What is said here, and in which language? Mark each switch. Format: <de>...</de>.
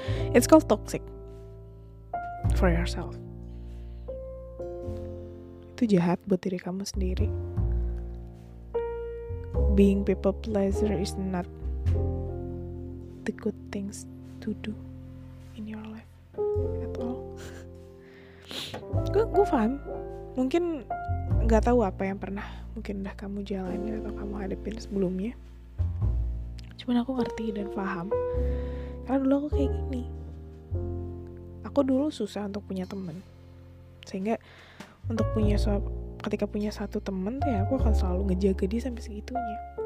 <en>It's called toxic for yourself.</en> <id>Itu jahat buat diri kamu sendiri.</id> <en>Being people pleaser is not the good things to do in your life at all.</en> <id>aku fun. Mungkin gak tahu apa yang pernah mungkin udah kamu jalani atau kamu hadepin sebelumnya. Cuman aku ngerti dan paham. Karena dulu aku kayak gini. Aku dulu susah untuk punya temen. Sehingga untuk punya ketika punya satu temen tuh ya, aku akan selalu ngejaga dia sampai segitunya.</id>